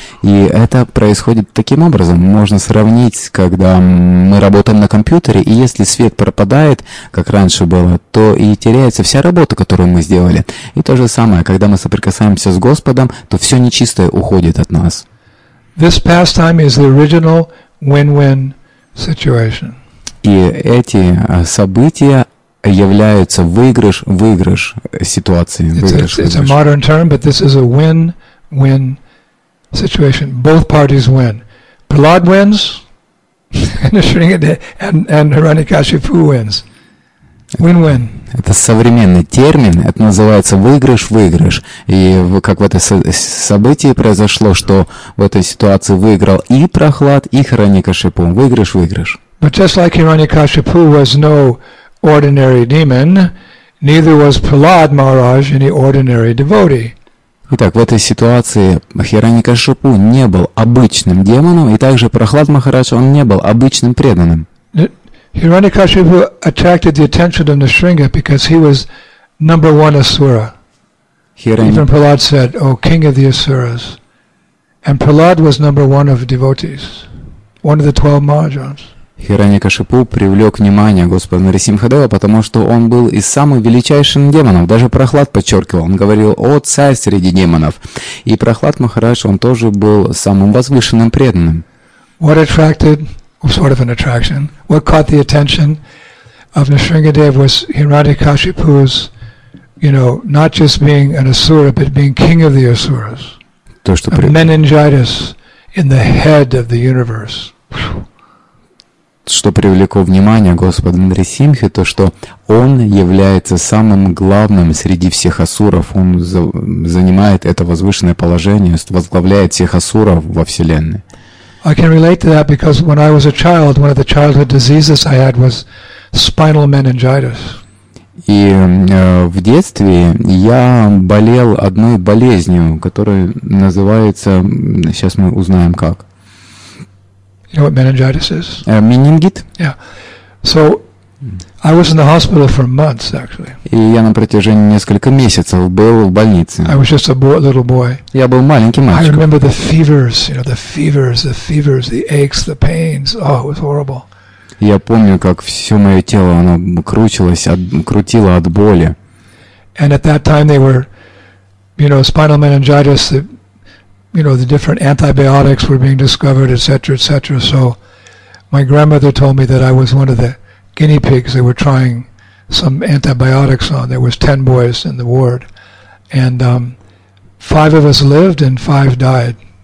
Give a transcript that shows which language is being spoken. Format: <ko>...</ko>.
<ru>И это происходит таким образом. Можно сравнить, когда мы работаем на компьютере, и если свет пропадает, как раньше было, то и теряется вся работа, которую мы сделали. И то же самое, когда мы соприкасаемся с Господом, то все нечистое уходит от нас.</ru> <en>This pastime is the original win-win situation.</en> <ru>И эти события являются выигрыш-выигрыш ситуации.</ru> <en>It's a modern term, but this is a win-win situation. Both parties win. Prahlad wins, and Hiranyakashipu wins. Win-win.</en> <ru>Это современный термин, это называется выигрыш-выигрыш. И как в этом событии произошло, что в этой ситуации выиграл и Прохлад, и Хиранья-Кашипу. Выигрыш-выигрыш.</ru> <en>But just like Hiranyakashipu was no ordinary demon, neither was Prahlad Maharaj any ordinary devotee.</en> <ru>Итак, в этой ситуации Хиранья-Кашипу не был обычным демоном, и также Прохлад Махарадж, он не был обычным преданным.</ru> <en>Hiranyakashipu attracted the attention of Nrisimha because he was number one Asura. Even Prahlad said, "O king of the Asuras," and Prahlad was number one of devotees, one of the 12 Mahajans.</en> <ru>Хиранья-Кашипу привлек внимание Господа Нрисимхадева, потому что он был и самым величайшим демоном. Даже Прохлад подчеркивал, он говорил: «О, царь среди демонов». И Прохлад Махарадж, он тоже был самым возвышенным преданным.</ru> <en>What attracted, sort of an attraction, what caught the attention of Nrisimhadev was Hiranyakashipu's, you know, not just being an asura, but being king of the asuras.</en> <ru>То, что</ru> <en>meningitis in the head of the universe.</en> <ru>Что привлекло внимание Господа Нрисимхи, то что он является самым главным среди всех асуров, он занимает это возвышенное положение, возглавляет всех асуров во Вселенной.</ru> <en>I can relate to that because when I was a child, one of the childhood diseases I had was spinal meningitis.</en> <ru>И в детстве я болел одной болезнью, которая называется, сейчас мы узнаем как.</ru> <en>You know what meningitis is?</en> <ru>Менингит.</ru> <en>Yeah. So I was in the hospital for months, actually.</en> <ru>И я на протяжении нескольких месяцев был в больнице.</ru> <en>I was just a boy, little boy.</en> <ru>Я был маленький мальчик.</ru> <en>I remember the fevers, you know, the fevers, the aches, the pains. Oh, it was horrible.</en> <ru>Я помню, как все мое тело, оно крутило от боли.</ru> <en>And at that time they were, you know, spinal meningitis, the different antibiotics were being discovered, etc., etc. So my grandmother told me that I was one of the guinea pigs they were trying some antibiotics on. There was 10 boys in the ward. And five of us lived and five died.</en>